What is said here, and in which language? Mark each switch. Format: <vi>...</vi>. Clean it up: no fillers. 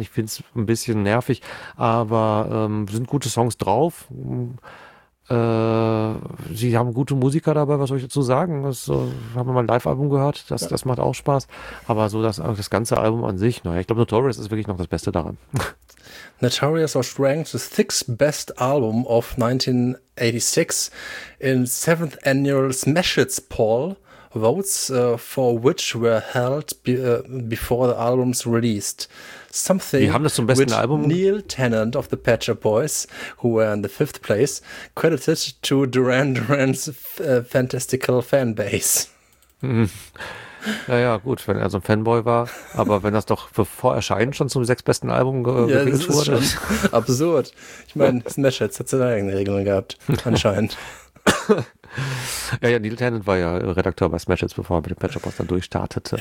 <de>Ich finde es ein bisschen nervig, aber sind gute Songs drauf. Sie haben gute Musiker dabei, was soll ich dazu sagen? Haben wir mal ein Live-Album gehört, das macht auch Spaß. Aber so das ganze Album an sich, naja, ich glaube, Notorious ist wirklich noch das Beste daran.</de> <en>Notorious was ranked the sixth best album of 1986 in seventh annual Smashits poll. Votes for which were held before the album's released. Something</en> <de>wir haben das zum besten Album.</de> <en>Neil Tennant of the Pet Shop Boys, who were in the fifth place, credited to Duran Duran's fantastical fanbase.</en> <de>Naja, gut, wenn er so ein Fanboy war, aber wenn das doch bevor Erscheinen schon zum sechs besten Album gewählt wurde. Ja, das ist schon absurd. Ich meine, Smash Hits hat seine eigenen Regeln gehabt, anscheinend. Ja, ja, Neil Tennant war ja Redakteur bei Smash Hits, bevor er mit dem Pet Shop Boys dann durchstartete.</de>